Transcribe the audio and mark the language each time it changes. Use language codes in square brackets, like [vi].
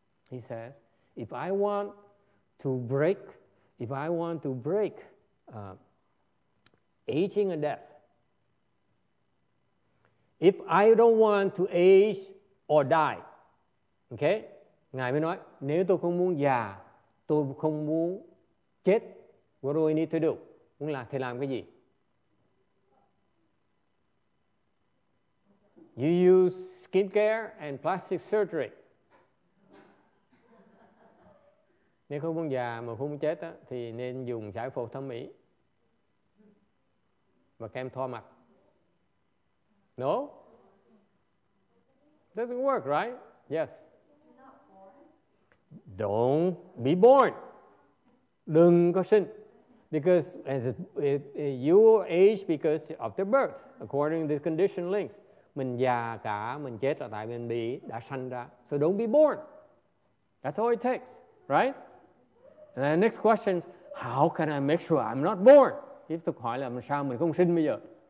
[en] He says, if I want to break aging and death. If I don't want to age or die, okay? [vi] Ngài mới nói, nếu tôi không muốn già, tôi không muốn chết, [en] what do I need to do? [vi] Muốn làm thì làm cái gì? [en] You use skincare and plastic surgery. [vi] Nếu không muốn già mà không muốn chết, thì nên dùng giải phẫu thẩm mỹ và kem thoa mặt. [en] No? Doesn't work, right? Yes. Don't be born. [vi] Đừng có sinh. [en] Because as you age because of the birth, according to the condition links. [vi] Mình già cả, mình chết là tại mình bị đã sanh ra. [en] So don't be born. That's all it takes, right? And then the next question is, how can I make sure I'm not born? [vi] Tiếp tục hỏi là sao mình không sinh bây giờ?